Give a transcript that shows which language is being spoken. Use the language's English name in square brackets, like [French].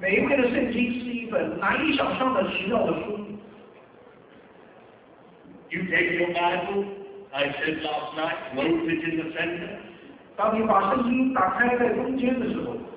[Chinese] 每一位的圣经是一本难以想象的奇妙的书。 [English] You take your Bible. I said last night, move it in the center. [Chinese] 当你把圣经打开在中间的时候,